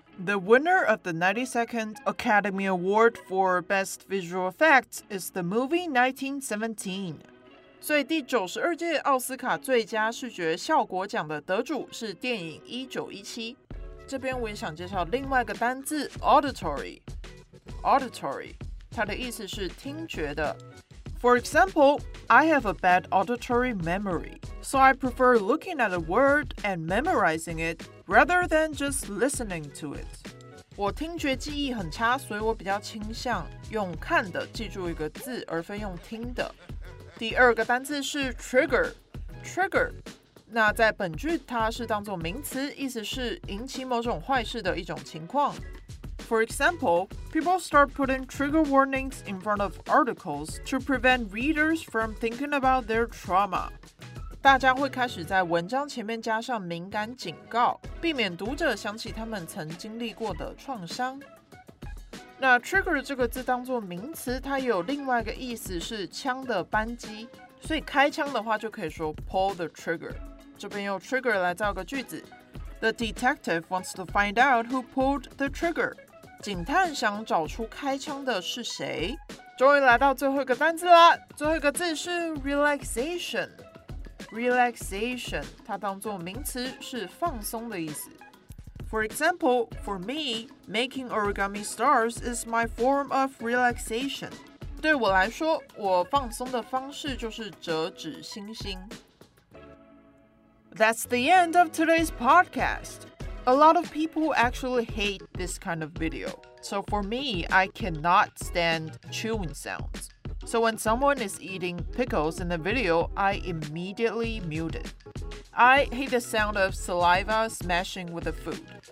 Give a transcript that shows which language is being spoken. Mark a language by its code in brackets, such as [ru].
[en] The winner of the 92nd Academy Award for Best Visual Effects is the movie 1917。 [zh] 所以第92届奥斯卡最佳视觉效果奖的得主是电影1917。这边我也想介绍另外一个单字 auditory。auditory， 它的意思是听觉的。 [en] For example, I have a bad auditory memory, so I prefer looking at a word and memorizing it rather than just listening to it. [zh] 我听觉记忆很差，所以我比较倾向用看的记住一个字，而非用听的。第二个单字是 trigger， trigger， 那在本句它是当作名词，意思是引起某种坏事的一种情况。 [en] For example, people start putting trigger warnings in front of articles to prevent readers from thinking about their trauma. [zh] 大家会开始在文章前面加上敏感警告，避免读者想起他们曾经历过的创伤。那 trigger 这个字当作名词，它有另外一个意思是枪的扳机，所以开枪的话就可以说 [en] pull the trigger。 [zh] 这边用 trigger 来造个句子 [en] ：The detective wants to find out who pulled the trigger。 [zh] 警探想找出开枪的是谁。终于来到最后一个单字啦，最后一个字是 relaxation。 relaxation 它当作名词是放松的意思。 [en] For example, for me, making origami stars is my form of relaxation. [zh] 对我来说，我放松的方式就是折纸星星。 [en] That's the end of today's podcast. A lot of people actually hate this kind of video. So for me, I cannot stand chewing sounds. So when someone is eating pickles in the video, I immediately mute it. I hate the sound of saliva smashing with the food.